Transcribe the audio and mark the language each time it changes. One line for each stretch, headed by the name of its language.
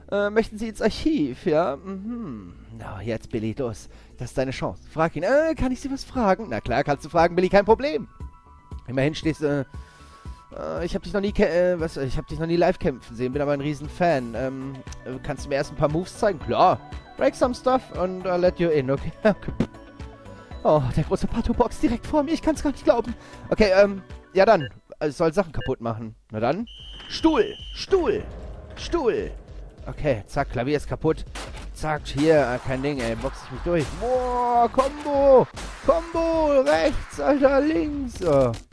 German: Möchten Sie ins Archiv, ja? Na, jetzt, Billy, los. Das ist deine Chance. Frag ihn. Kann ich Sie was fragen? Na klar, kannst du fragen, Billy, kein Problem. Immerhin stehst du... ich hab dich noch nie live kämpfen sehen, bin aber ein riesen Fan. Kannst du mir erst ein paar Moves zeigen? Klar.
English: Break some stuff and I'll let you in, okay?
German: Oh, der große Pato-Box direkt vor mir, ich kann's gar nicht glauben. Okay, ja dann. Es soll Sachen kaputt machen. Na dann. Stuhl! Stuhl! Stuhl! Okay, zack, Klavier ist kaputt. Zack, hier, kein Ding, ey, box ich mich durch. Boah, Kombo! Kombo! Rechts, Alter, links! Oh.